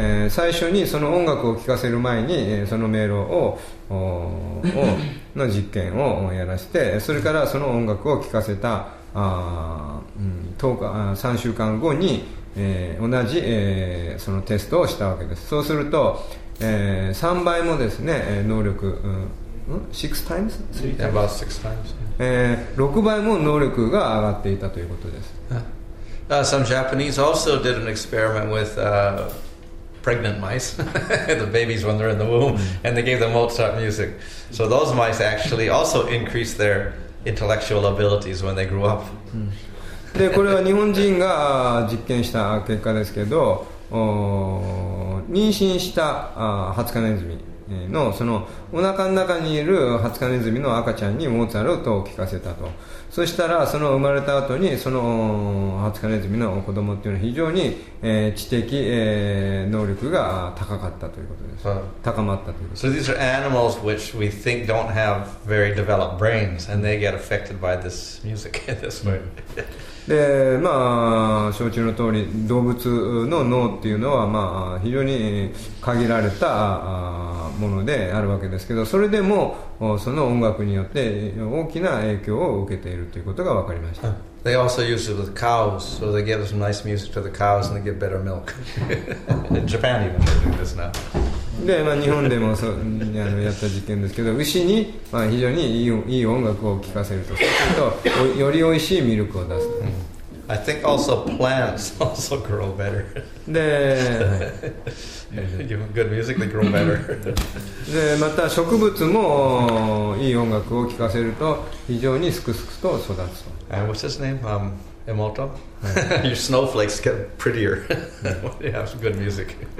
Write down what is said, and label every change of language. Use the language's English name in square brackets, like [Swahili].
[Japanese] 最初にその音楽を聴かせる前に、その迷路をの実験をやらせて、それからその音楽を聴かせた3週間後に、同じ、そのテストをしたわけです。そうすると、3倍もですね能力、6倍も能力が上がっていたということです。 [English] Some Japanese also did an experiment with pregnant mice, the babies when they're in the womb, and they gave them Mozart music. So those mice actually also increased their intellectual abilities when they grew up. [Japanese] で、これは日本人が実験した結果ですけど、妊娠したハツカネズミのそのお腹の中にいるハツカネズミの赤ちゃんにモーツァルトを聞かせたと。そしたらその生まれた後にそのハツカネズミの子供っていうのは非常に知的能力が高かったということです。高まったということです。 [English] So these are animals which we think don't have very developed brains, and they get affected by this music in this way. [Japanese] で、まあ承知の通り、動物の脳っていうのはまあ非常に限られたものであるわけですけど、それでもその音楽によって大きな影響を受けているということが分かりました。 [English] They also use it with cows, so they give some nice music to the cows and they get better milk. In Japan even they do this now. [Japanese] で、まあ、日本でもそやった実験ですけど、牛に、まあ、非常にいい音楽を聴かせると、よりおいしいミルクを出す。 [English] I think also plants also grow better. で、 give good music, they grow better. [Japanese] で、また植物もいい音楽を聴かせると非常にすくすくと育つ。 [English] And what's his name? Emoto? Your snowflakes get prettier when you have some good music.